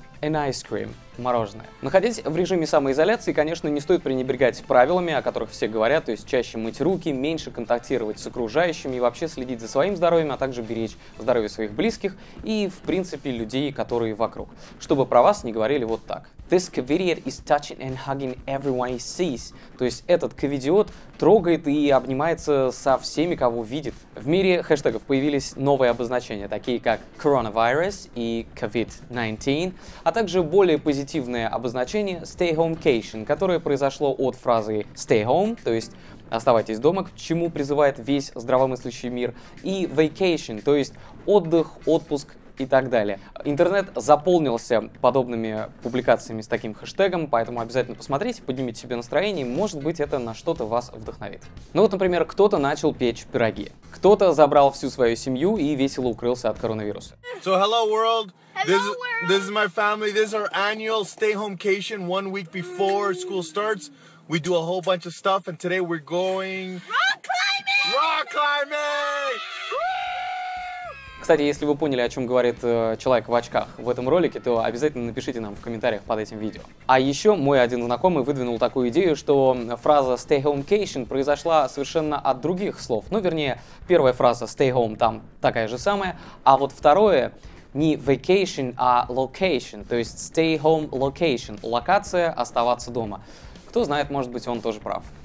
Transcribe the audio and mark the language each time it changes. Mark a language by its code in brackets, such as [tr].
[en] An ice cream. Мороженое. [ru] Находясь в режиме самоизоляции, конечно, не стоит пренебрегать правилами, о которых все говорят, то есть чаще мыть руки, меньше контактировать с окружающими и вообще следить за своим здоровьем, а также беречь здоровье своих близких и, в принципе, людей, которые вокруг, чтобы про вас не говорили вот так. [en] This covidiot is touching and hugging everyone he sees. [ru] То есть этот ковидиот трогает и обнимается со всеми, кого видит. В мире хэштегов появились новые обозначения, такие как coronavirus и COVID-19, а также более позитивное обозначение stayhomecation, которое произошло от фразы stay home, то есть оставайтесь дома, к чему призывает весь здравомыслящий мир, и vacation, то есть отдых, отпуск и так далее. Интернет заполнился подобными публикациями с таким хэштегом, поэтому обязательно посмотрите, поднимите себе настроение, может быть, это на что-то вас вдохновит. Ну вот, например, кто-то начал печь пироги, кто-то забрал всю свою семью и весело укрылся от коронавируса. [en] So hello world! This is my family. This is our annual stay-homecation. 1 week before school starts, we do a whole bunch of stuff, and today we're going rock climbing. [ru] Кстати, если вы поняли, о чем говорит человек в очках в этом ролике, то обязательно напишите нам в комментариях под этим видео. А еще мой один знакомый выдвинул такую идею, что фраза stayhomecation произошла совершенно от других слов. Ну, вернее, первая фраза stay home там такая же самая, а вот второе не vacation, а location, то есть stay home location, локация оставаться дома. Кто знает, может быть, он тоже прав.